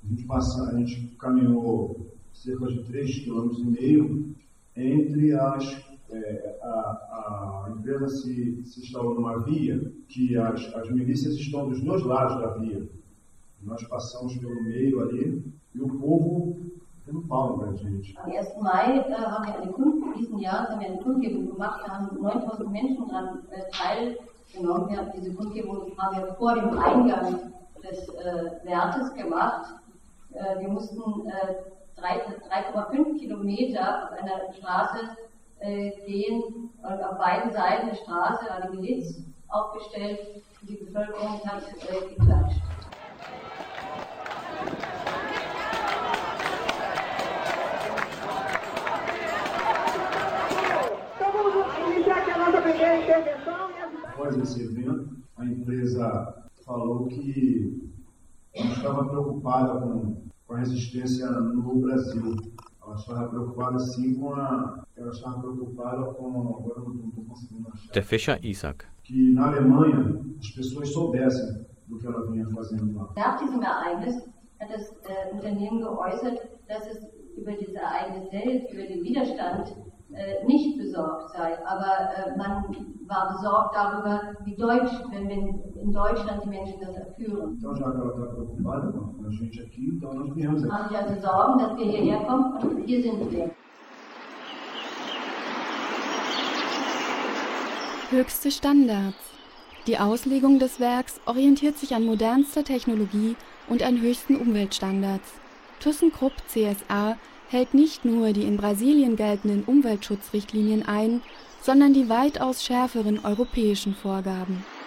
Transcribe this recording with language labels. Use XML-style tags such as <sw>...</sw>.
<pt>A gente caminhou cerca de 3,5 km entre a empresa se instalou numa via que as milícias estão dos dois lados da via. Nós passamos pelo meio ali e o povo deu um pau pra gente.</pt> <de>Am 1. Mai haben wir eine Kundgebung diesen Jahres, haben wir eine Kundgebung gemacht. Wir haben 9000 Menschen daran teilgenommen. Wir haben diese Kundgebung haben wir vor dem Eingang des Wertes gemacht. Wir mussten 3,5 Kilometer auf einer Straße gehen und auf beiden Seiten der Straße war die Miliz aufgestellt und die Bevölkerung hat geklatscht.</de> <pt>Após esse evento, a empresa falou que não estava preocupada com a resistência no Brasil. Ela estava preocupada com</pt> <de>Der Fischer Isaac.</de> <pt>Que na Alemanha as pessoas soubessem do que ela vinha fazendo lá.</pt> <de>Nach diesem Ereignis hat das Unternehmen geäußert, dass es über diese Ereignisse selbst, über den Widerstand, nicht besorgt sei. Aber man war besorgt darüber, wie Deutsch, wenn in Deutschland die Menschen das erführen.</de> <pt>Então já que ela está preocupada com a gente aqui, então nós viemos aqui.</pt> <de>Haben Sie also Sorgen, dass wir hierher kommen? Und hier sind wir. Höchste Standards. Die Auslegung des Werks orientiert sich an modernster Technologie und an höchsten Umweltstandards. ThyssenKrupp CSA hält nicht nur die in Brasilien geltenden Umweltschutzrichtlinien ein, sondern die weitaus schärferen europäischen Vorgaben.</de>